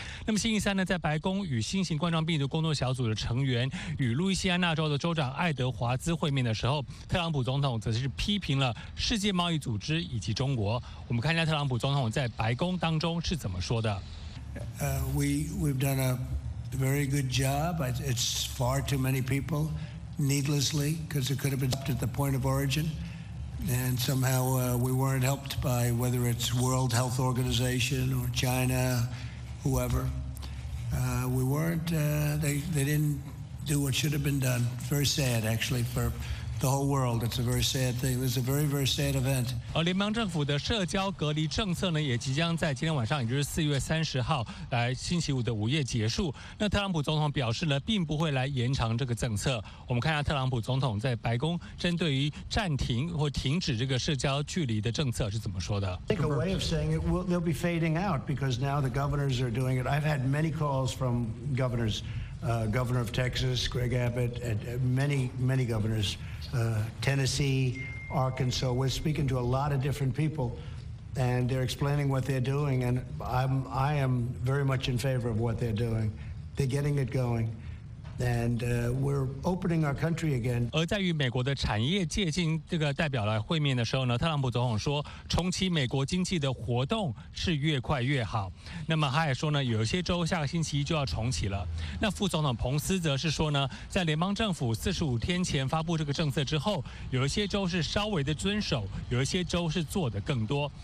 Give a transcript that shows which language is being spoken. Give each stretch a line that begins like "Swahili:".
Chinese: 那么星期三呢，在白宫与新型冠状病毒工作小组的成员与路易斯安那州的州长爱德华兹会面的时候，特朗普总统则是批评了世界贸易组织以及中国。我们看一下特朗普总统在白宫当中是怎么说的。
English: We've done a very good job. It's far too many people, needlessly, because it could have been at the point of origin. And somehow we weren't helped by whether it's World Health Organization or China, whoever. We weren't, they didn't do what should have been done. Very sad, actually, for the whole world. It's a very sad thing. It was a very, very sad event.
Chinese: 而联邦政府的社交隔离政策呢，也即将在今天晚上，也就是四月三十号，来星期五的午夜结束。那特朗普总统表示呢，并不会来延长这个政策。我们看一下特朗普总统在白宫针对于暂停或停止这个社交距离的政策是怎么说的
English: ？Think a way of saying it will they'll be fading out because now the governors are doing it. I've had many calls from governors, Governor of Texas, Greg Abbott, and many, many governors. Tennessee, Arkansas. We're speaking to a lot of different people, and they're explaining what they're doing, and I am very much in favor of what they're doing. They're getting it going. And we're opening our country again.
Chinese: 而在与美国的产业界进这个代表来会面的时候呢，特朗普总统说，重启美国经济的活动是越快越好。那么他也说呢，有些州下个星期就要重启了。那副总统彭斯则是说呢，在联邦政府四十五天前发布这个政策之后，有一些州是稍微的遵守，有一些州是做的更多。